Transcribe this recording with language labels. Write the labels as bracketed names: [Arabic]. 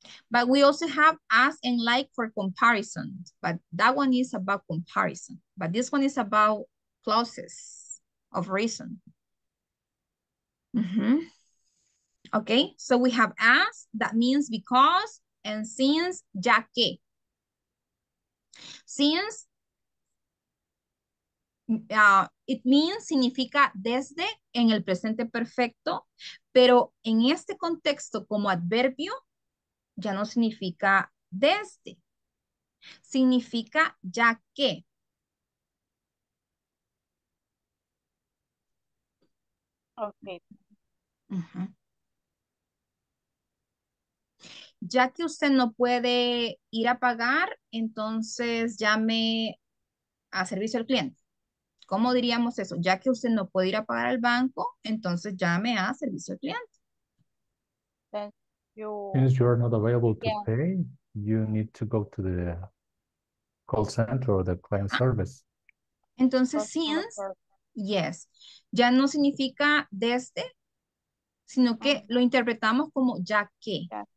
[English] But we also have as and like for comparison, but that one is about comparison. But this one is about clauses of reason. Okay, so we have as, that means because, and since, [Spanish] ya que. [English] Since, it means, [Spanish] significa desde en el presente perfecto, pero en este contexto como adverbio, ya no significa desde, significa ya que. [English] Okay. [Spanish] Ya que usted no puede ir a pagar, entonces llame a servicio al cliente. ¿Cómo diríamos eso? Ya que usted no puede ir a pagar al banco, entonces llame a servicio al cliente. [English] Since you are not available to pay, you need to go to the call center or the client service. [Spanish] Entonces, [English] since, yes. [Spanish] Ya no significa desde, sino que lo interpretamos como ya que.